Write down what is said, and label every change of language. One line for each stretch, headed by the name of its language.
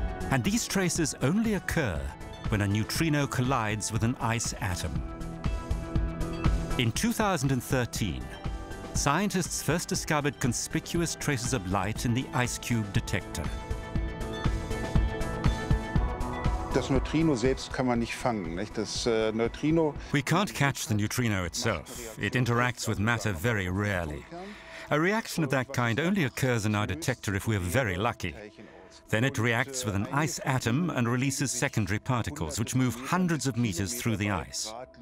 English: And these traces only occur when a neutrino collides with an ice atom. In 2013, scientists first discovered conspicuous traces of light in the ice cube detector.
German: Das Neutrino selbst kann man nicht fangen, nicht? Das Neutrino.
English: We can't catch the neutrino itself. It interacts with matter very rarely. A reaction of that kind only occurs in our detector if we're very lucky. Then it reacts with an ice atom and releases secondary particles, which move hundreds of meters through the ice.